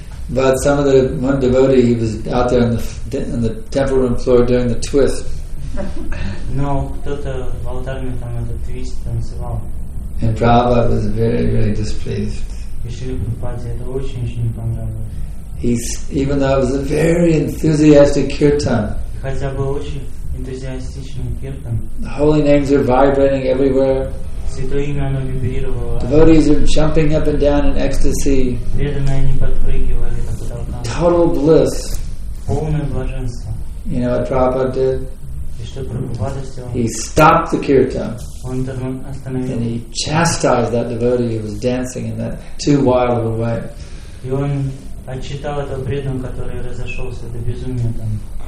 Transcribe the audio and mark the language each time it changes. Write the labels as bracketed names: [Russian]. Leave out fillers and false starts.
[English] But some of the one devotee, he was out there on the temple room floor doing the twist. [Russian] No, кто-то в алтарне там этот твист танцевал. [English] And Prabhupada was very, very displeased. [Russian] И Шрила Прабхупаде это очень-очень не понравилось. [English] He's even though it was a very enthusiastic kirtan. [Russian] Хотя был очень энтузиастичный киртан. [English] The holy names are vibrating everywhere. [Russian] Святое имя оно вибрировало. [English] Devotees are jumping up and down in ecstasy. [Russian] Преданные они подпрыгивали как удалось. [English] Total bliss. [Russian] Полное блаженство. [English] You know what Prabhupada did? [Russian] И что Прабхупада сделал? [English] He stopped the kirtan. [Russian] Он там остановил. [English] And he chastised that devotee who was dancing in that too wild of a way. [Russian] И он отчитал этого преданного, который разошелся до безумия там.